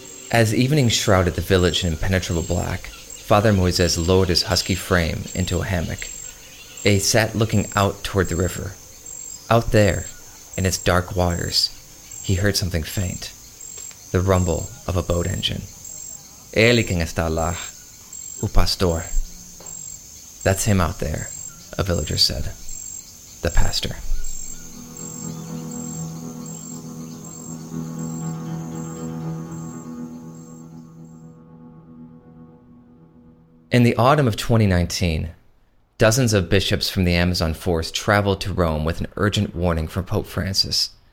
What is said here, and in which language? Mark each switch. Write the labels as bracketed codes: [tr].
[en] As evening shrouded the village in impenetrable black, Father Moisés lowered his husky frame into a hammock. He sat looking out toward the river. Out there, in its dark waters, he heard something faint. The rumble of a boat engine. [pt] Ele quem está lá, o pastor. [en] That's him out there, a villager said. The pastor. In the autumn of 2019, dozens of bishops from the Amazon forest traveled to Rome with an urgent warning from Pope Francis.